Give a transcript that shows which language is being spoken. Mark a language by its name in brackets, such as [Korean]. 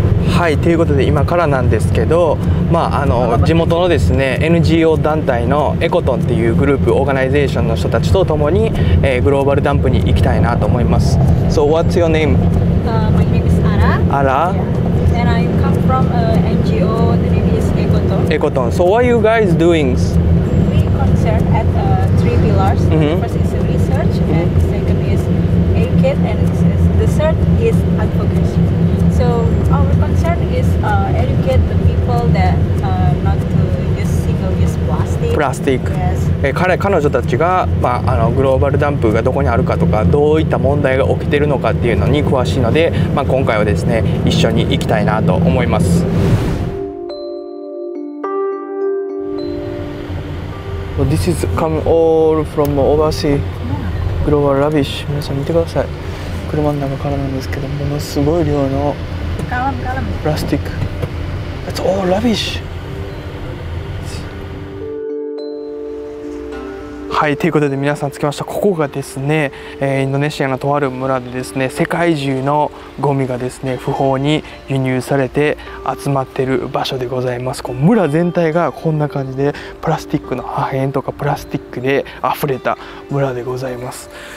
[Japanese] はい、ということで今からなんですけど、まあ、地元のですね NGO 団体の ECOTON っていうグループオーガナイゼーションの人たちと共に、グローバルダンプに行きたいなと思います。 [English] So what's your name? My name is Ara. Ara? And I come from an NGO, the name is ECOTON. ECOTON. So what are you guys doing? We concern at three pillars. First is research, and second is aid kit, and the third is advocacy. So our concern is educate the people that not to use single use plastic. Plastic. Yes. [Japanese] 彼女たちが、まあ、あのグローバルダンプがどこにあるかとか、どういった問題が起きているのかっていうのに詳しいので、まあ、今回はですね、一緒に行きたいなと思います。 [English] This is come all from overseas global rubbish. [Japanese] 皆さん見てください。車の中からなんですけど、ものすごい量のプラスチック。 [English] It's all rubbish. [Japanese] はい、ということで皆さん着きました。ここがですね、インドネシアのとある村でですね、世界中のゴミがですね、不法に輸入されて集まっている場所でございます。こう村全体がこんな感じでプラスチックの破片とかプラスチックで溢れた村でございます。